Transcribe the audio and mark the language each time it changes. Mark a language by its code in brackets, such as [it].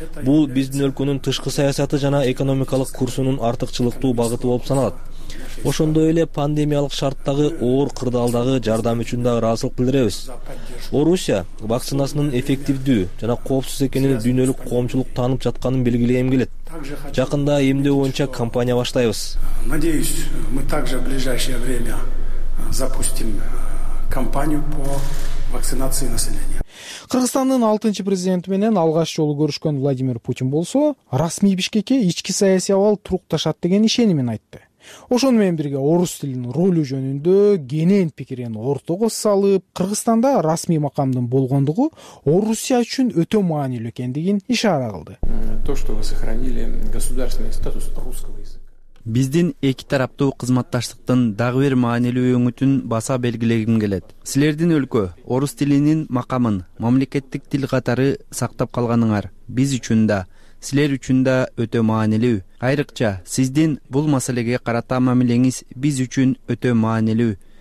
[ky] Бул биздин өлкөнүн тышкы саясаты жана экономикалык курсунун артыкчылыктуу багыты болуп саналат. Ошондой эле пандемиялык шарттагы оор кырдаалдагы жардам үчүн дагы ыраазылык билдиребиз. Орусия вакцинасынын эффективдүү жана коопсуз экенин дүйнөлүк коомчулук таанып жатканын белгилегим келет. Жакында эмдөө боюнча кампания баштайбыз. [ru] Надеюсь, мы также в ближайшее время запустим кампанию по вакцинации населения. [ky] Кыргызстандын 6-чы президенти менен алгач жолу көрүшкөн Владимир Путин болсо, расмий Бишкекке ички саясий абал турукташат деген ишенимин айтты. Ошону менен бирге орус тилинин ролу жөнүндө кенен пикирин ортого салып, Кыргызстанда расмий макамдын болгондугу Орусия үчүн өтө маанилүү экендигин ишара кылды. [ru] То, что вы сохранили государственный статус русского языка. [ky] Биздин эки тараптуу кызматташтыктын дагы бир маанилүү өңүтүн баса белгилегим келет. Силердин өлкө орус тилинин макамын мамлекеттик тил катары сактап калганыңар биз үчүн да, силер үчүн да өтө маанилүү. Айрыкча сиздин бул маселеге карата мамилеңиз биз үчүн өтө маанилүү.